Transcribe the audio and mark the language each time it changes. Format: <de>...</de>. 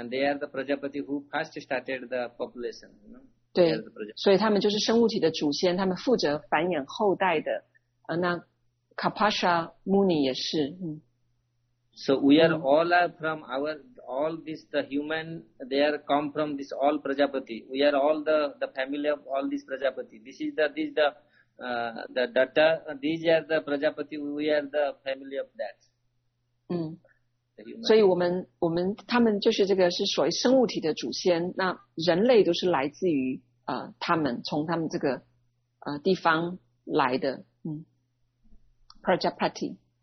<en>and they are the Prajapati who first started the population, you know.</en> <zh>对，所以他们就是生物体的祖先，他们负责繁衍后代的。那 Kapasha Muni 也是。</zh> <en>So we are all are from our all this the human they are come from this all Prajapati. We are all the family of all this Prajapati. This is the data. These are the Prajapati. We are the family of that.</en> <zh>所以我们他们就是这个是所谓生物体的祖先。那人类都是来自于。他们从他们这个地方来的，Prajapati,</zh>